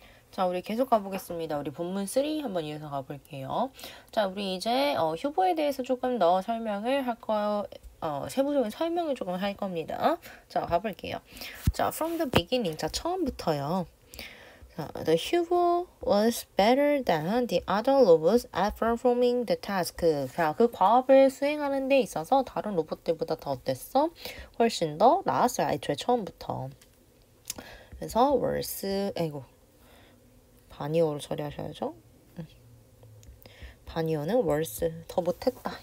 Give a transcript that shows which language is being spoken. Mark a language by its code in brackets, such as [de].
[ko] 자, 우리 계속 가보겠습니다. 우리 본문 3 한번 이어서 가볼게요. 자, 우리 이제 휴보에 대해서 조금 더 설명을 할 거, 세부적인 설명을 조금 할 겁니다. 자, 가볼게요. 자, [en] from the beginning. [ko] 자, 처음부터요. 자, [en] the Huvo was better than the other robots at performing the task. [ko] 자, 그 과업을 수행하는 데 있어서 다른 로봇들보다 더 어땠어? 훨씬 더 나았어요. 애초에 처음부터. 그래서 worse, 아이고. 반이어로 처리하셔야죠. 반이어는 worse, 더 못했다.